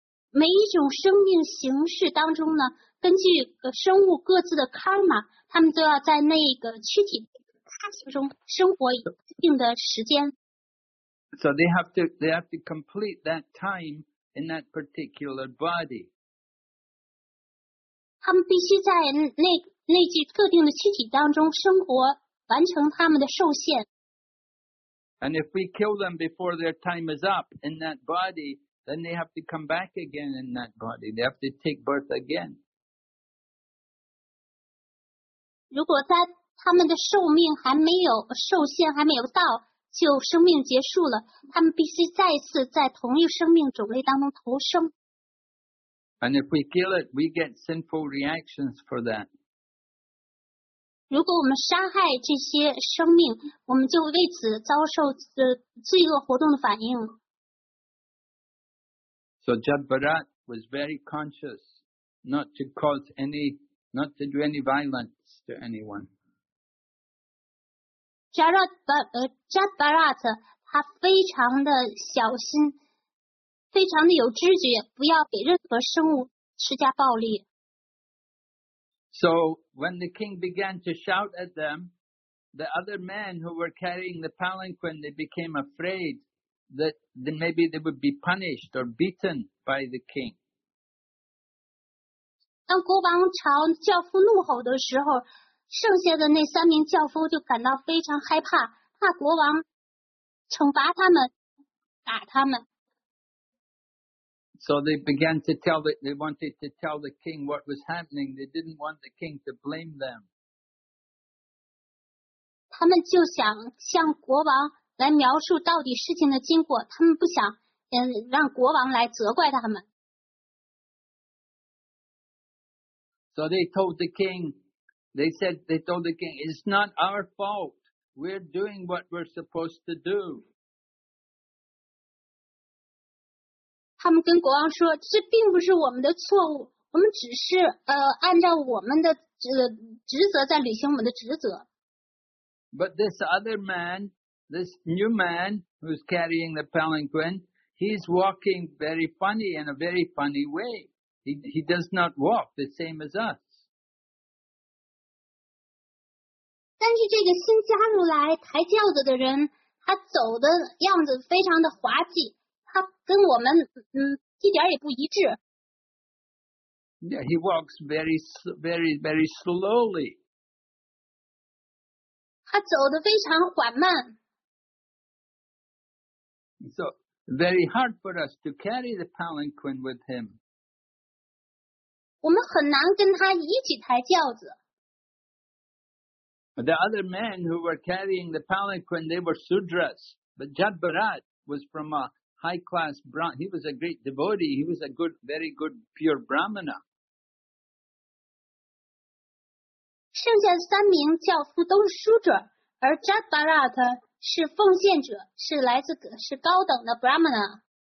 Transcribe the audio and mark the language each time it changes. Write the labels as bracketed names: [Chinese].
[Chinese] 每一种生命形式当中呢，根据生物各自的 karma, 他们都要在那个躯体中生活一定的时间。 [English] So they have to complete that time in that particular body. [Chinese] 他们必须在那具特定的躯体当中生活，完成他们的受限。 [English] And if we kill them before their time is up in that body, then they have to come back again in that body. They have to take birth again. [Chinese] 如果他们的寿命还没有受限还没有到，就生命结束了，他们必须再次在同一生命种类当中投生。 [English] And if we kill it, we get sinful reactions for that. [Chinese] 如果我们杀害这些生命，我们就为此遭受罪恶活动的反应。 [English] So Judd Barat was very conscious not to do any violence to anyone. [Chinese] Judd Barat 他非常的小心，非常的有知觉，不要给任何生物施加暴力。 [English] So when the king began to shout at them, the other men who were carrying the palanquin, they became afraid that maybe they would be punished or beaten by the king. [Chinese] 当国王朝轿夫怒吼的时候，剩下的那三名轿夫就感到非常害怕，怕国王惩罚他们，打他们。 [English] So they began to tell that they wanted to tell the king what was happening. They didn't want the king to blame them. [Chinese] 他们就想向国王来描述到底事情的经过，他们不想让国王来责怪他们。 [English] So they told the king, they told the king, it's not our fault. We're doing what we're supposed to do. [Chinese] 他们跟国王说，这并不是我们的错误，我们只是按照我们的职责在履行我们的职责。 [English] But this other man, this new man who's carrying the palanquin, he's walking very funny in a very funny way. He does not walk the same as us. [Chinese] 但是这个新加入来抬轿子的人，他走的样子非常的滑稽，他跟我们一点也不一致。 [English] Yeah, he walks very, very, very slowly. [Chinese] 他走得非常缓慢。 [English] So, very hard for us to carry the palanquin with him. [Chinese] 我们很难跟他一起抬轿子。 [English] The other men who were carrying the palanquin, they were Sudras. But Jad Bharat was from a high class Brahmin. He was a great devotee. He was a good, very good, pure Brahmana. [Chinese] 剩下三名教父都是 Sudra, 而 Jad Bharat 是奉献者，是来自是高等的 Brahmana.